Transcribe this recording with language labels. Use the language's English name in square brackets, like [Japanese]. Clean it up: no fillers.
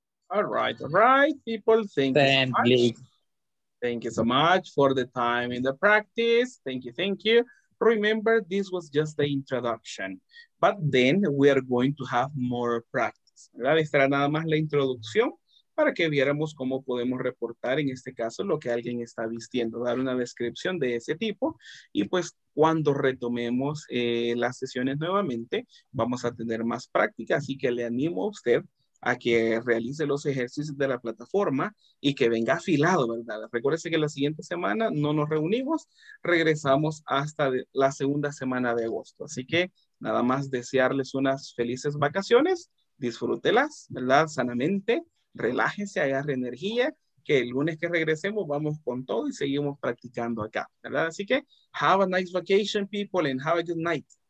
[English] All right, people, thank you so much for the time in the practice. Thank you. Remember, this was just the introduction, but then we are going to have more practice. [Spanish] ¿Verdad? Estará nada más la introducción para que viéramos cómo podemos reportar, en este caso, lo que alguien está vistiendo, dar una descripción de ese tipo. Y pues cuando retomemos las sesiones nuevamente, vamos a tener más práctica. Así que le animo a usted a que realice los ejercicios de la plataforma y que venga afilado, ¿verdad? Recuérdese que la siguiente semana no nos reunimos, regresamos hasta la segunda semana de agosto. Así que nada más desearles unas felices vacaciones, disfrútelas, ¿verdad? Sanamente, relájese, agarre energía, que el lunes que regresemos vamos con todo y seguimos practicando acá, ¿verdad? Así que [English] have a nice vacation, people, and have a good night.